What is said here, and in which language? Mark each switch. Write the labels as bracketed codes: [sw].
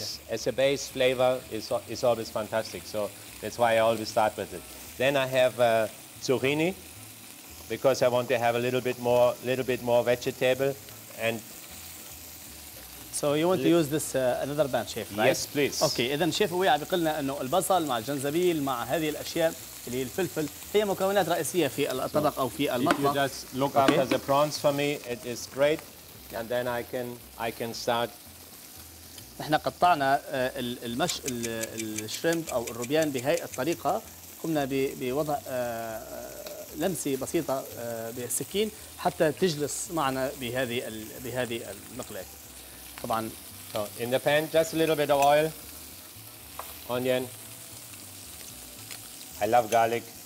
[en] As a base flavor is always fantastic. So that's why I always start with it. Then I have zucchini, because I want to have a little bit more vegetable, and so you want to use this another batch, chef, right? Yes, please. Okay, [ar] إذن شيف أوي عم بيقلنا إنه البصل مع الجنزبيل مع هذه الأشياء اللي الفلفل هي مكونات رئيسية في الطبق أو في المطبخ. [en] If you just look after the prawns for me, it is great, and then I can start. [ar] نحن قطعنا الشريمب أو الروبيان بهاي الطريقة. قمنا بوضع لمسة بسيطة بالسكين حتى تجلس معنا بهذه المقلاة. طبعا [en] so in the pan just a little bit of oil, onion, I love garlic.